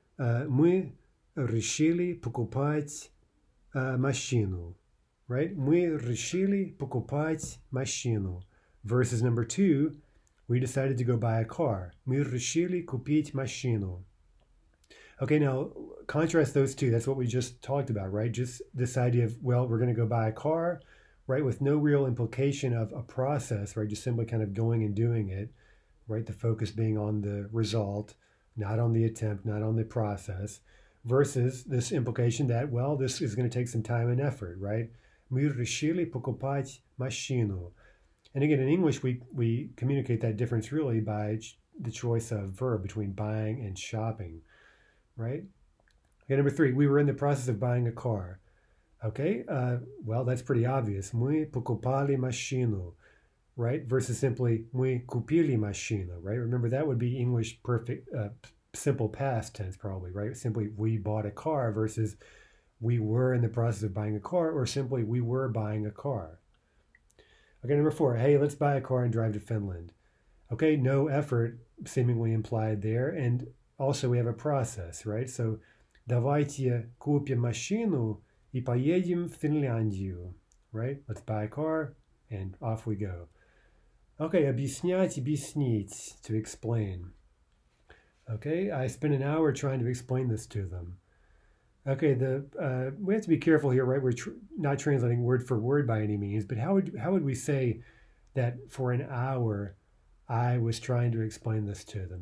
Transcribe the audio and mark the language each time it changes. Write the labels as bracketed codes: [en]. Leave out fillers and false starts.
[ru] Мы решили покупать машину, [en] right? [ru] Мы решили покупать машину. [en] Versus number two, we decided to go buy a car. [ru] Мы решили купить машину. [en] Okay, now contrast those two. That's what we just talked about, right? Just this idea of, well, we're going to go buy a car, right? With no real implication of a process, right? Just simply kind of going and doing it, right? The focus being on the result, not on the attempt, not on the process, versus this implication that, well, this is going to take some time and effort, right? [ru] Мы решили покупать машину. [en] And again, in English, we communicate that difference really by ch the choice of verb between buying and shopping. Right? Okay, number three, we were in the process of buying a car. Okay, well, that's pretty obvious. [ru] Мы покупали машину, [en] right? Versus simply, [ru] мы купили машину, [en] right? Remember, that would be English perfect, simple past tense, probably, right? Simply, we bought a car versus we were in the process of buying a car, or simply, we were buying a car. Okay, number four, hey, let's buy a car and drive to Finland. Okay, no effort seemingly implied there. And also, we have a process, right? So, [ru] давайте купим машину и поедем в Финляндию, [en] right? Let's buy a car and off we go. Okay, [ru] объяснить, [en] to explain. Okay, I spent an hour trying to explain this to them. Okay, we have to be careful here, right? We're tr not translating word for word by any means, but how would we say that for an hour I was trying to explain this to them?